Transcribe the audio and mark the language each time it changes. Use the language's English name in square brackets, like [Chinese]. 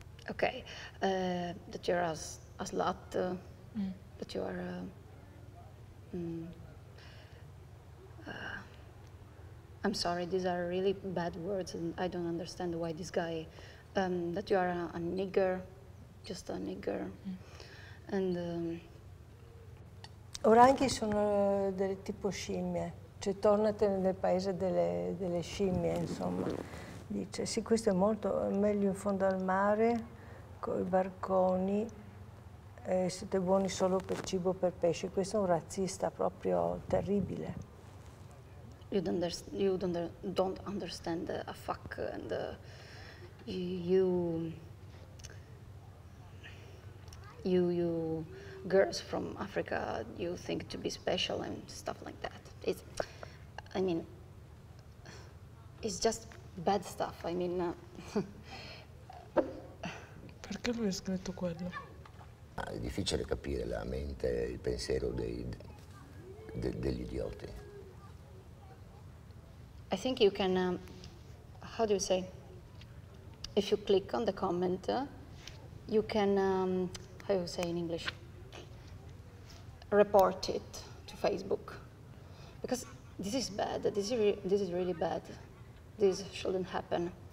[English] Okay, that you're a slut, that you are I'm sorry, these are really bad words, and I don't understand why this guy... that you are a nigger, just a nigger, and... [Italian] Oranghi sono delle tipo scimmie, cioè tornatene nel paese delle scimmie, insomma. Dice, sì, questo è molto meglio in fondo al mare, con i barconi, siete buoni solo per cibo per pesce. Questo è un razzista proprio terribile. [English] You don't understand a fuck, and you girls from Africa, you think to be special and stuff like that. It's just bad stuff. I mean, [Italian] perché lui ha scritto quello? È difficile capire la mente, il pensiero degli idioti. [English] I think you can, how do you say, if you click on the comment, you can, how do you say in English, report it to Facebook. Because this is bad, this is really bad, this shouldn't happen.